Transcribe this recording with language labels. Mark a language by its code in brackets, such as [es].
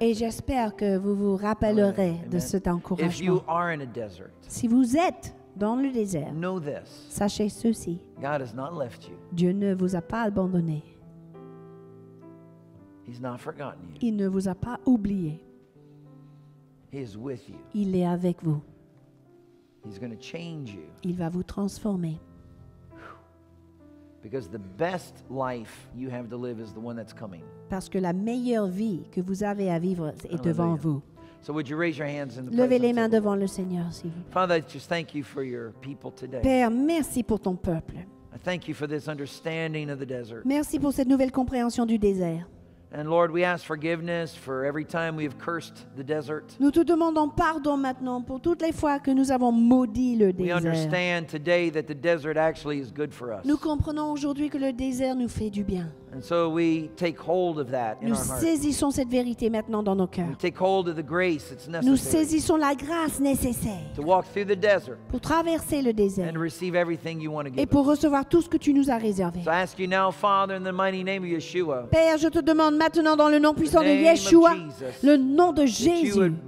[fr] Et j'espère que vous vous rappellerez de cet encouragement. [en] If you are in a desert, [fr] si vous êtes dans le désert, [en] know this. [fr] Sachez ceci. [en] God has not left you. [fr] Dieu ne vous a pas abandonné. [en] He's not forgotten you. [fr] Il ne vous a pas oublié. [en] He is with you. [fr] Il est avec vous. [en] He's going to change you. [fr] Il va vous transformer. [en] Because the best life you have to live is the one that's coming. [fr] Parce que la meilleure vie que vous avez à vivre est [en] Hallelujah. [fr] Devant vous. [en] So would you raise your hands in the [fr] Levez [en] presence [fr] les mains [en] of the [fr] devant le Seigneur, s'il vous plaît. [en] Father, I just thank you for your people today. [fr] Père, merci pour ton peuple. [en] I thank you for this understanding of the desert. [fr] Merci pour cette nouvelle compréhension du désert. [en] And Lord, we ask forgiveness for every time we have cursed the desert. [fr] Nous te demandons pardon maintenant pour toutes les fois que nous avons maudit le désert. [en] We understand today that the desert actually is good for us. [fr] Nous comprenons aujourd'hui que le désert nous fait du bien. [en] And so we take hold of that in [fr] nous [en] our hearts. [fr] Nous saisissons cette vérité maintenant dans nos cœurs. [en] We take hold of the grace that's necessary. [fr] Nous saisissons la grâce nécessaire. [en] To walk through the desert. [fr] Pour traverser le désert. [en] And receive everything you want to give. [fr] Et pour [en] us. [fr] Recevoir tout ce que tu nous as réservé. [en] So I ask you now, Father, in the mighty name of Yeshua. [fr] Père, je te demande maintenant dans le nom puissant de Yeshua, le nom de Jésus.